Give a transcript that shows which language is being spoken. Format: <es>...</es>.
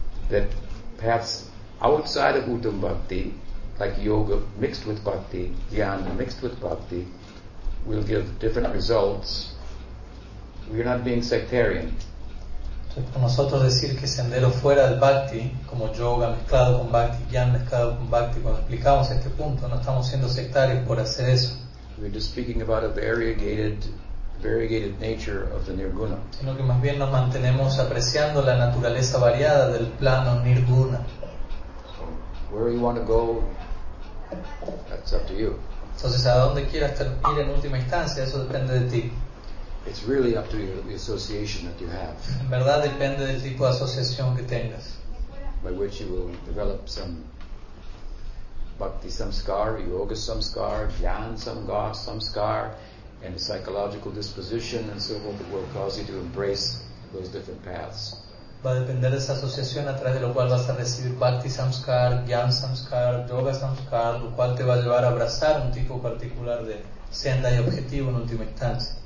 <en>that perhaps outside of Uttam Bhakti, like yoga mixed with bhakti, jnana mixed with bhakti, will give different results, we are not being sectarian.</en> <es>Entonces, para nosotros decir que sendero fuera del bhakti, como yoga mezclado con bhakti, jnana mezclado con bhakti, cuando explicamos este punto, no estamos siendo sectarios por hacer eso.</es> <en>We're just speaking about a variegated nature of the nirguna.</en> <es>Sino que más bien nos mantenemos apreciando la naturaleza variada del plano nirguna.</es> <en>Where you want to go, that's up to you.</en> <es>Entonces, a dónde quieras ir en última instancia, eso depende de ti.</es> <en>It's really up to you, the association that you have.</en> <es>En verdad depende del tipo de asociación que tengas.</es> <en>By which you will develop some bhakti samskar, yoga samskar, jnana samskar, and the psychological disposition and so forth will cause you to embrace those different paths.</en> <es>Va a depender de esa asociación a través de lo cual vas a recibir bhakti samskar, jnana samskar, yoga samskar, lo cual te va a llevar a abrazar un tipo particular de senda y objetivo en última instancia.</es>